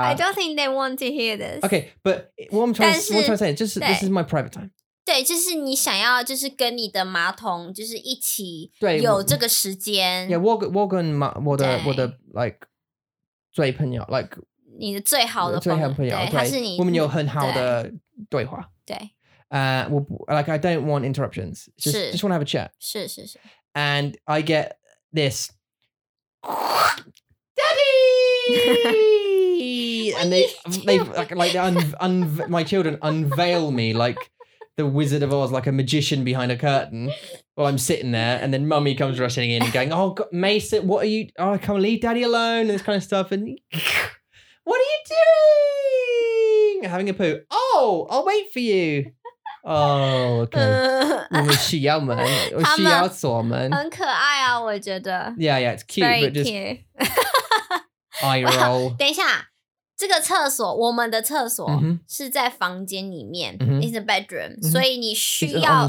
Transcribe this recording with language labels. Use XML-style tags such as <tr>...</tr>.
<en>I don't think they want to hear this Okay but what I'm trying to say just, This is my private time</en> <zh>对就是你想要就是跟你的马桶就是一起有这个时间 Yeah 我跟我的 like 最朋友 like 你的最好的最好朋友对, 对他是你我们有很好的对话对</zh> <en>Like I don't want interruptions just want to have a chat</en> <zh>是是是</zh> <en>And I get this Daddy And my children unveil me like the Wizard of Oz like a magician behind a curtain while I'm sitting there and then mummy comes rushing in and going oh God, Mason what are you oh I can't leave daddy alone and this kind of stuff and what are you doing having a poo ohOh, I'll wait for you. Oh, okay.</en> <zh>我们需要门，我需要锁门。很可爱啊，我觉得。</zh> <en>Yeah, yeah, it's cute, Very but just. Eye roll.</en> <zh>等一下，这个厕所，我们的厕所、mm-hmm. 是在房间里面、mm-hmm. ，</zh> <en>it's a bedroom，、</en> <zh>mm-hmm. 所以你需要</zh>